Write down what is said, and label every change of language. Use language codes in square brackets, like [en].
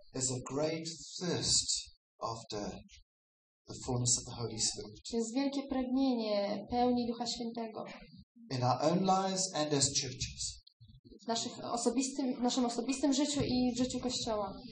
[en] Is a great thirst after the fullness of the Holy Spirit. [pl] Jest wielkie pragnienie pełni Ducha Świętego. [en] In our own lives and as churches. [pl] W naszym osobistym życiu i w życiu Kościoła.